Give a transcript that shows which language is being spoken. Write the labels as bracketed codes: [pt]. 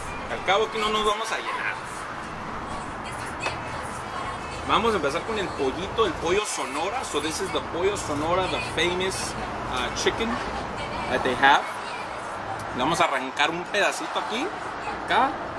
[es] Al cabo que no nos vamos a llenar. Vamos a empezar con el pollo sonora. [en] So this is the pollo sonora, the famous chicken that they have. [es] Le vamos a arrancar un pedacito aquí, acá.